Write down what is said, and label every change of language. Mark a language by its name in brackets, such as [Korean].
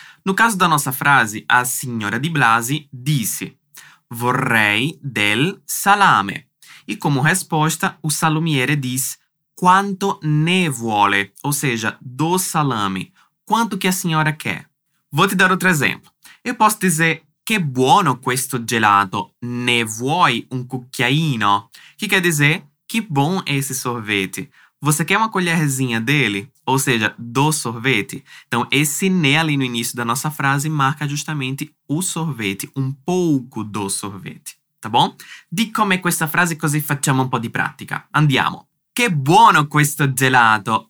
[Portuguese] No caso da nossa frase, a senhora Di Blasi disse vorrei del salame. E como resposta, o salumiere diz quanto ne vuole, ou seja, do salame. Quanto que a senhora quer? Vou te dar outro exemplo. Eu posso dizer che buono questo gelato, ne vuoi un cucchiaino? Que quer dizer que bom esse sorvete. Você quer uma colherzinha dele? Ou seja, do sorvete? Então, esse ne ali no início da nossa frase marca justamente o sorvete, um pouco do sorvete, tá bom? [Italian] Di com'è questa frase così facciamo un po' di pratica. Andiamo. Che buono questo gelato!